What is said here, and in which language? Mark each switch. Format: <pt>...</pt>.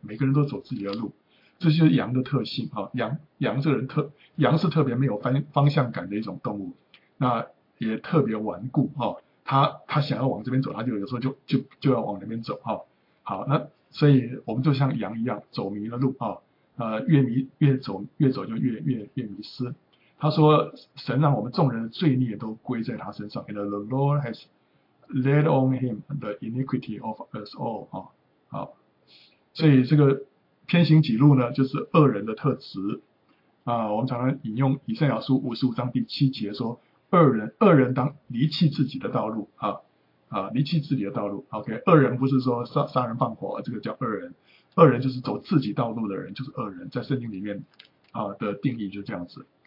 <zh>每个人都走自己的路，这就是羊的特性啊。羊这个人羊是特别没有方向感的一种动物，那也特别顽固啊。他想要往这边走，他就有时候就要往那边走啊。好，那所以我们就像羊一样走迷了路啊，越走就越迷失。他说神让我们众人的罪孽都归在他身上，</zh> <en>And the Lord has laid on him the iniquity of us all。</en> <zh>好，所以这个偏行己路呢，就是恶人的特质啊。我们常常引用以赛亚书55章第7节说，恶人当离弃自己的道路啊，离弃自己的道路。 OK， 恶人不是说杀人放火，这个叫恶人，恶人就是走自己道路的人，就是恶人，在圣经里面啊的定义就是这样子。</zh>